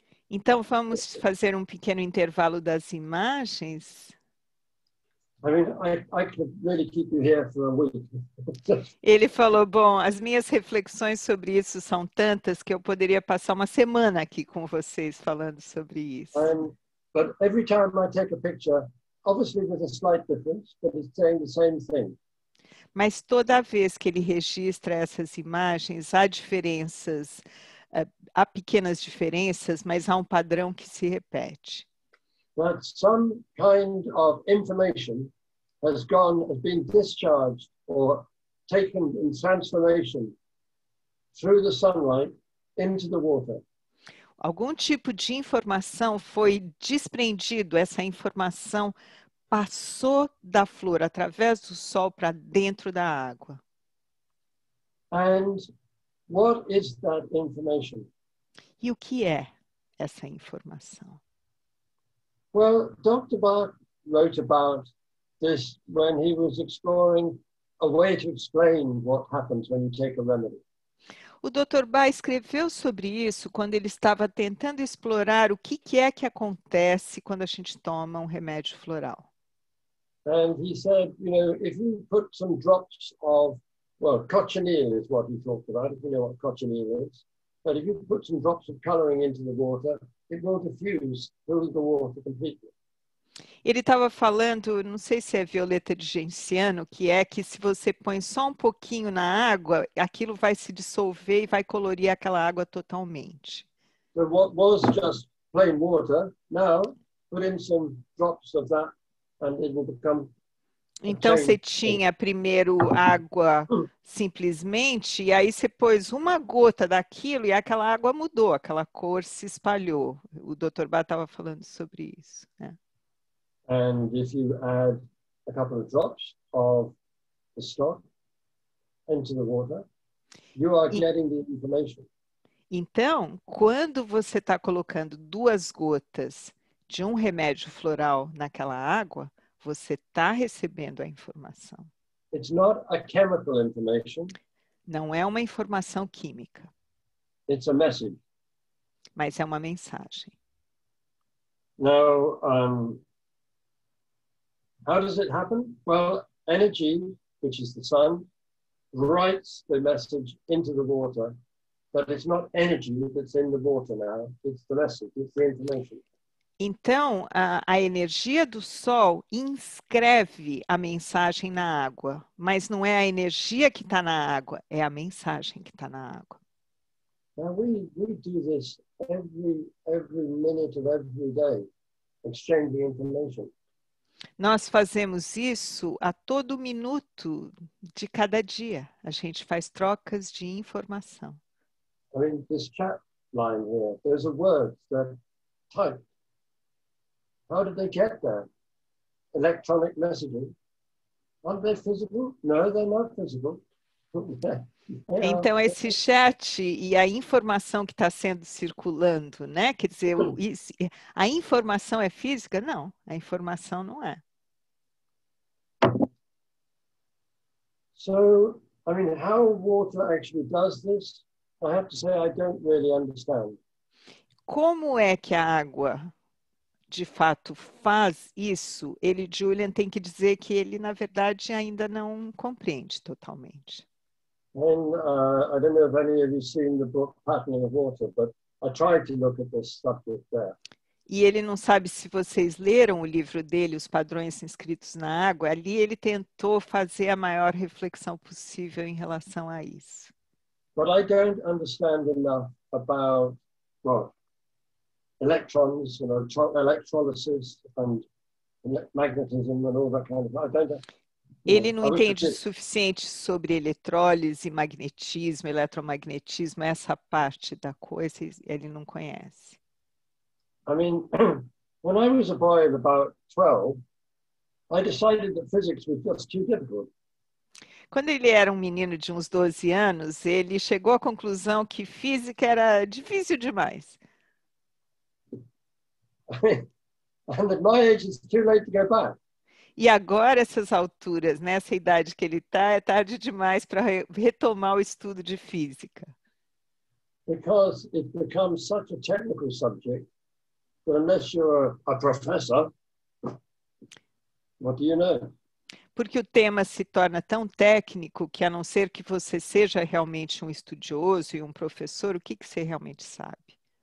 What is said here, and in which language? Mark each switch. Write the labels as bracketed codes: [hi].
[pt] Então, vamos fazer um pequeno intervalo das imagens. [en] I mean, I could really keep you here for a week. [pt] Ele falou, bom, as minhas reflexões sobre isso são tantas que eu poderia passar uma semana aqui com vocês falando sobre isso. [en] But every time I take a picture, obviously there's a slight difference, but it's saying the same thing. [pt] Mas toda vez que ele registra essas imagens, há diferenças, há pequenas diferenças, mas há um padrão que se repete. [en] That some kind of information has gone, has been discharged or taken in transformation through the sunlight into the water. [pt] Algum tipo de informação foi desprendido, essa informação passou da flor através do sol para dentro da água. [en] And what is that information? [pt] E o que é essa informação? [en] Well, Dr. Bach wrote about this when he was exploring a way to explain what happens when you take a remedy. [pt] O Dr. Bach escreveu sobre isso quando ele estava tentando explorar o que é que acontece quando a gente toma um remédio floral. [en] And he said, you know, if you put some drops of, well, cochineal is what he talked about, if you know what cochineal is. But if you put some drops of coloring into the water, it will diffuse through the water completely. [pt] Ele estava falando, não sei se é violeta de genciano, que é que se você põe só um pouquinho na água, aquilo vai se dissolver e vai colorir aquela água totalmente. [en] So what was just plain water, now put in some drops of that. And it will become [pt] então, você tinha primeiro água simplesmente, e aí você pôs uma gota daquilo e aquela água mudou, aquela cor se espalhou. O Dr. Bach estava falando sobre isso. Né? [en] And if you add a couple of drops of the stock into the water, you are getting the information. [pt] Então, quando você está colocando duas gotas de um remédio floral naquela água, você está recebendo a informação. [en] It's not a chemical information. [pt] Não é uma informação química. [en] It's a message. [pt] Mas é uma mensagem. [en] Now, how does it happen? Well, energy, which is the sun, writes the message into the water, but it's not energy that's in the water now, it's the message, it's the information. [pt] Então, a energia do sol inscreve a mensagem na água, mas não é a energia que está na água, é a mensagem que está na água. [en] Now we do this every minute of every day, exchanging information. [pt] Nós fazemos isso a todo minuto de cada dia. A gente faz trocas de informação. [en] I mean, this chat line here, there's a word that type. How did they get there? Electronic messaging. Aren't they physical? No, they're not physical. [pt] Então, esse chat e a informação que está sendo circulando, né? Quer dizer, a informação é física? Não, a informação não é. [en] So, I mean, how water actually does this, I have to say I don't really understand. [pt] Como é que a água, de fato, faz isso? Ele, Julian, tem que dizer que ele, na verdade, ainda não compreende totalmente. [en] Then, I don't know if any of you have seen the book Pattern of Water, but I tried to look at this subject there. [pt] E ele não sabe se vocês leram o livro dele, Os Padrões Inscritos na Água. Ali ele tentou fazer a maior reflexão possível em relação a isso. [en] But I don't understand enough about, well, electrons, you know, electrolysis and magnetism and all that kind of thing. I don't know. [pt] Ele não entende o suficiente sobre eletrólise, magnetismo, eletromagnetismo, essa parte da coisa, ele não conhece. [en] I mean, when I was a boy of about 12, I decided that physics was just too difficult. [pt] Quando ele era um menino de uns 12 anos, ele chegou à conclusão que física era difícil demais. [en] And at my age, it's too late to go back. [pt] E agora, essas alturas, nessa idade que ele está, é tarde demais para retomar o estudo de física. [en] Because it becomes such a technical subject, that unless you're a professor, what do you know? [pt] Porque o tema se torna tão técnico que, a não ser que você seja realmente um estudioso e um professor, o que, que você realmente sabe?